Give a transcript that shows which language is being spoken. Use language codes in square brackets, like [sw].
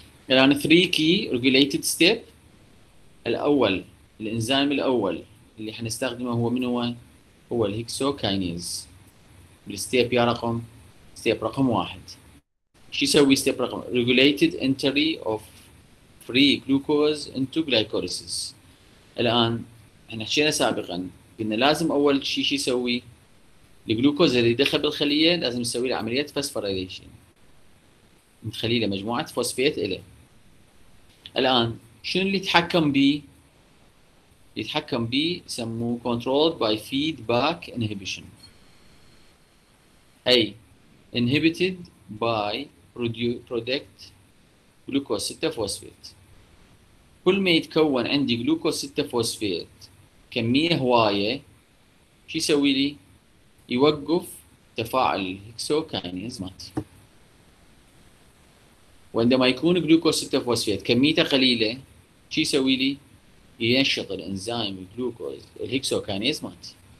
[ar] الان 3 كي ريجوليتد ستيب. الاول الانزيم الاول اللي حنستخدمه هو من هو؟ هو الهيكسوكاينيز بالستيب يا رقم ستيب رقم واحد. شو يسوي ستيب رقم؟ [en] Regulated entry of free glucose into glycolysis. [ar] الآن احنا حكينا سابقا قلنا لازم أول شيء شو يسوي؟ الجلوكوز اللي دخل بالخلية لازم يسوي له عملية فوسفوريليشن. نخلي له مجموعة فوسفيت إله. الآن شنو اللي يتحكم بيه؟ يتحكم بيه يسموه [en] controlled by feedback inhibition. أي inhibited by product glucose 6 phosphate. [ar] كل ما يتكون عندي جلوكوز 6 فوسفيت كميه هوايه شو يسوي لي؟ يوقف تفاعل الهكسوكاينيز مالتي. وعندما يكون جلوكوز 6 فوسفيت كميته قليله شو يسوي لي؟ ينشط الانزيم الجلوكوز الهكسوكاينيز مالتي.